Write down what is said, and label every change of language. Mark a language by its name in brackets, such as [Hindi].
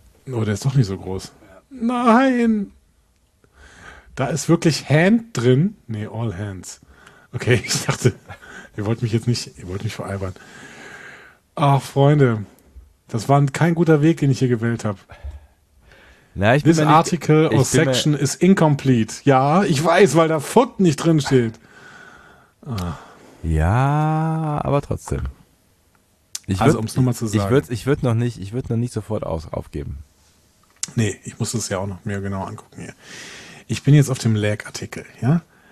[German] Oh, der ist doch nicht so groß. Nein! Da ist wirklich Hand drin. Nee, [English] all hands. [German] Okay, ich dachte, ihr wollt mich veralbern. Ach, Freunde, das war kein guter Weg, den ich hier gewählt habe. [English] This article or section is incomplete. [German] Ja, ich weiß, weil da Foot nicht drin steht. Ach. Ja, aber trotzdem. Also, um es nur mal zu sagen. Ich würde noch nicht sofort aufgeben. Nee, ich muss es ja auch noch mehr genau angucken hier. Ich bin jetzt auf dem Leg-Artikel, ja?